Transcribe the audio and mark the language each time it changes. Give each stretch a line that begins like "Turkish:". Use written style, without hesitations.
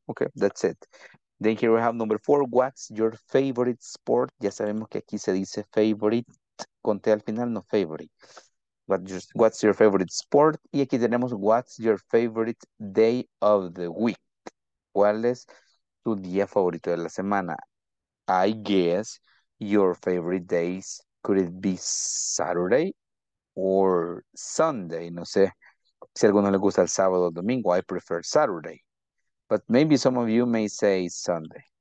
English: Ok, that's it. Then here we have number four. What's your favorite sport?
Spanish: Ya sabemos que aquí se dice favorite. Conté al final, no favorite.
English: What's your favorite sport?
Spanish: Y aquí tenemos,
English: what's your favorite day of the week?
Spanish: ¿Cuál es tu día favorito de la semana?
English: I guess your favorite days, could it be Saturday or Sunday?
Spanish: No sé si a alguno le gusta el sábado o domingo.
English: I prefer Saturday. But maybe some of you may say Sunday.